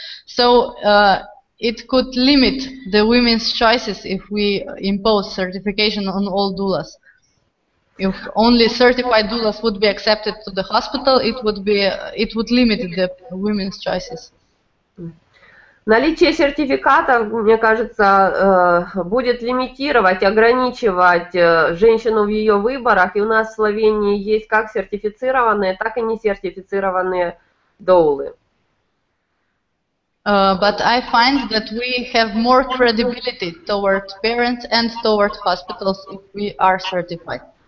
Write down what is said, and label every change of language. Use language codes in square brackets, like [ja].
[en] So it could limit the women's choices if we impose certification on all doulas. If only certified doulas would be accepted to the hospital, it would limit the women's choices. [ru] Наличие сертификата, мне кажется, будет лимитировать, ограничивать женщину в ее выборах. И у нас в Словении есть как сертифицированные, так и не сертифицированные доулы. [en] But I find that we have more credibility towards parents and towards hospitals if we are certified.